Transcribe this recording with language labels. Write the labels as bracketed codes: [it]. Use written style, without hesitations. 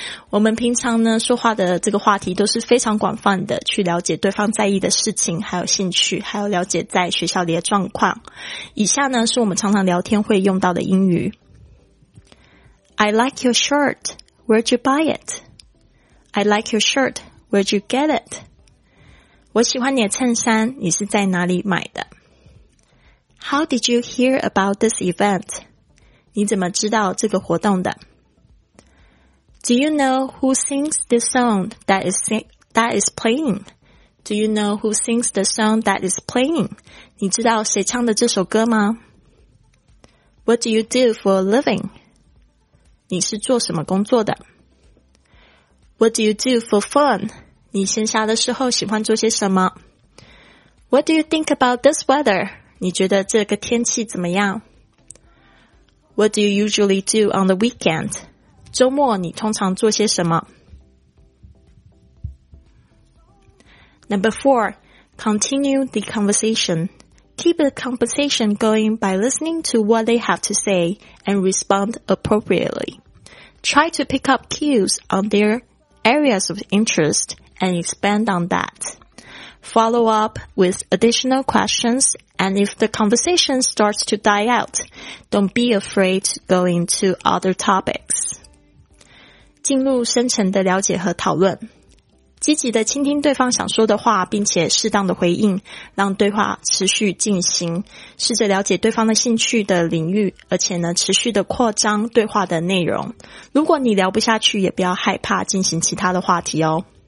[zh] 我们平常呢说话的这个话题都是非常广泛的，去了解对方在意的事情，还有兴趣，还有了解在学校里的状况。以下呢是我们常常聊天会用到的英语。 [en] I like your shirt. Where'd you buy it? I like your shirt. Where'd you get it? [zh] 我喜欢你的衬衫，你是在哪里买的？ [en] How did you hear about this event? [zh] 你怎么知道这个活动的？ [en] Do you know who sings the song that is playing? Do you know who sings the song that is playing? [zh] 你知道谁唱的这首歌吗？ [en] What do you do for a living? [zh] 你是做什么工作的？ [en] What do you do for fun? [zh] 你闲暇的时候喜欢做些什么？ [en] What do you think about this weather? [zh] 你觉得这个天气怎么样？ [en] What do you usually do on the weekend? [zh] 周末你通常做些什么？ [en] Number four, continue the conversation. Keep the conversation going by listening to what they have to say and respond appropriately. Try to pick up cues on theirareas of interest and expand on that. Follow up with additional questions, and if the conversation starts to die out, don't be afraid going to other topics. [zh] 进入深层的了解和讨论，积极的倾听对方想说的话，并且适当的回应，让对话持续进行，试着了解对方的兴趣的领域，而且呢，持续的扩张对话的内容。如果你聊不下去，也不要害怕进行其他的话题哦。